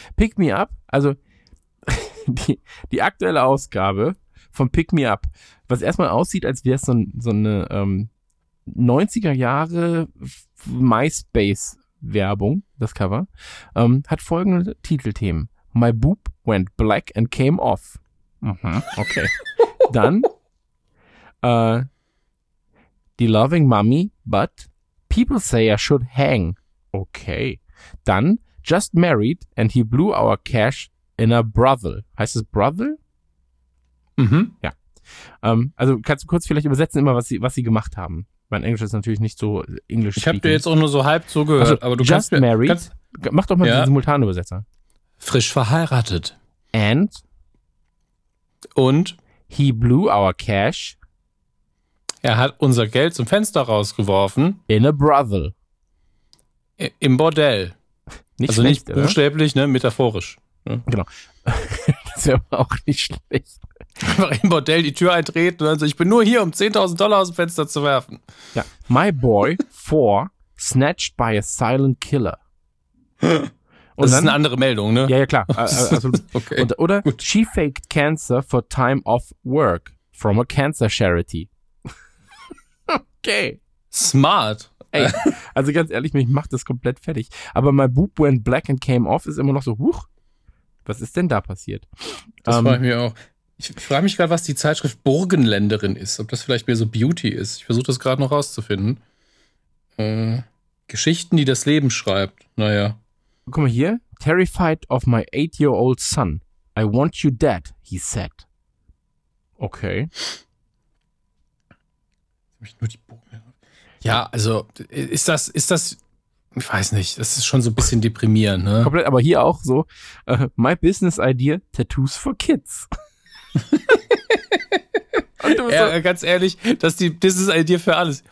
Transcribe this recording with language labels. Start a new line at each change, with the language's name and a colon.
German: Pick Me Up, also die aktuelle Ausgabe von Pick Me Up, was erstmal aussieht, als wäre es so eine 90er Jahre MySpace Werbung, das Cover, hat folgende Titelthemen.
English: My boob went black and came off. Mhm, okay. Dann The loving mommy, but people say I should hang. Okay. Dann Just married and he blew our cash in a brothel.
German: Heißt es brothel? Mhm. Ja. Also kannst du kurz vielleicht übersetzen immer, was sie gemacht haben. Mein Englisch ist natürlich nicht so englisch. Ich habe dir jetzt auch nur so halb zugehört. Also, aber du
English: just married.
German: Mach doch mal den simultanen Übersetzer. Frisch verheiratet.
English: And.
German: Und.
English: He blew our cash.
German: Er hat unser Geld zum Fenster rausgeworfen.
English: In a brothel.
German: Im Bordell. Nicht also schlecht, nicht buchstäblich, oder? Ne? Metaphorisch. Ne? Genau. Das wäre aber auch nicht schlecht. Einfach im Bordell die Tür eintreten und dann so, ich bin nur hier, um 10.000 Dollar aus dem Fenster zu werfen.
English: Ja, my boy, 4, snatched by a silent killer.
German: Und das dann, ist eine andere Meldung, ne? Ja, ja, klar. Okay. Und, oder, gut.
English: She faked cancer for time off work from a cancer charity. Okay. Smart.
German: Ey, also ganz ehrlich, mich macht das komplett fertig. Aber
English: my boob went black and came off
German: ist immer noch so, huch, was ist denn da passiert? Das frage ich mich auch. Ich frage mich gerade, was die Zeitschrift Burgenländerin ist. Ob das vielleicht mehr so Beauty ist. Ich versuche das gerade noch rauszufinden. Geschichten, die das Leben schreibt. Naja. Guck mal hier.
English: Terrified of my 8-year-old son. I want you dead, he said. Okay.
German: Ja, also ist das, ich weiß nicht, das ist schon so ein bisschen deprimierend. Ne? Komplett, aber hier auch so.
English: My business idea, Tattoos for Kids.
German: ganz ehrlich, das ist eine Idee für alles.